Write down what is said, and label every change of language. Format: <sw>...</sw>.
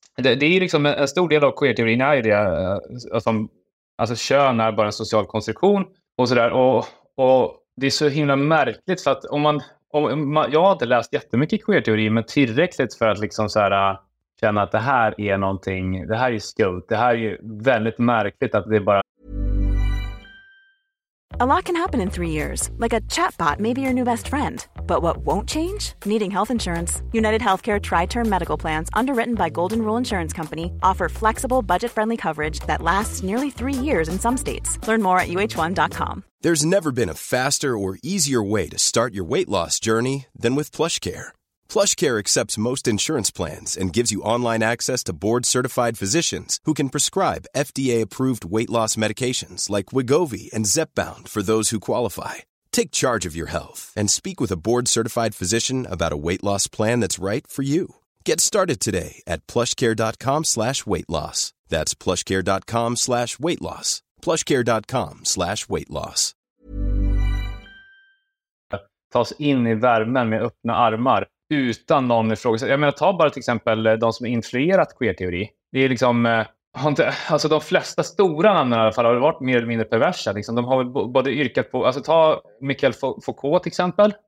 <sv>Det är liksom en stor del av queer-teorin är ju det som, alltså kön är bara en social konstruktion och sådär. Och det är så himla märkligt, för att jag hade läst jättemycket queer-teori, men tillräckligt för att liksom så här, känna att det här är någonting, det här är skumt, det här är ju väldigt märkligt att det är bara.</sv> <en>A lot can happen in 3 years, like a chatbot may be your new best friend. But what won't change? Needing health insurance. United Healthcare Tri-Term Medical Plans, underwritten by Golden Rule Insurance Company, offer flexible, budget-friendly coverage that lasts nearly 3 years in some states. Learn more at uh1.com. There's never been a faster or easier way to start your weight loss journey than with PlushCare. PlushCare accepts most insurance plans and gives you online access to board-certified physicians who can prescribe FDA-approved weight loss medications like Wegovy and Zepbound for those who qualify. Take charge of your health and speak with a board-certified physician about a weight loss plan that's right for you. Get started today at plushcare.com/weightloss. That's plushcare.com/weightloss. plushcare.com/weightloss.</en> <sv>Ta oss in i värmen med öppna armar utan någon fråga. Jag menar, ta bara till exempel de som har influerat queer-teori. Det är liksom, alltså de flesta stora namnen i alla fall har varit mer eller mindre perversa. Liksom, de har väl både yrkat på, alltså ta Michel Foucault till exempel.</sv>